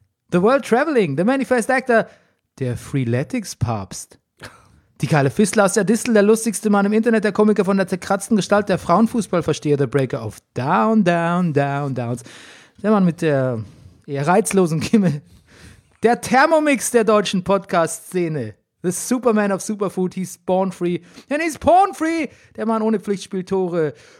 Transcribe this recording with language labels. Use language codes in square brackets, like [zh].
[en] The World Traveling, the Manifest Actor, [de] der Freeletics-Papst. Die geile Fistler aus der Distel, der lustigste Mann im Internet, der Komiker von der zerkratzten Gestalt, der Frauenfußballversteher, der [en] Breaker of Down, Down, Down, Downs. [de] Der Mann mit der eher reizlosen Kimme. Der Thermomix der deutschen Podcast-Szene. [en] The Superman of Superfood, he's born free. And he's porn free, [de] der Mann ohne Pflichtspieltore.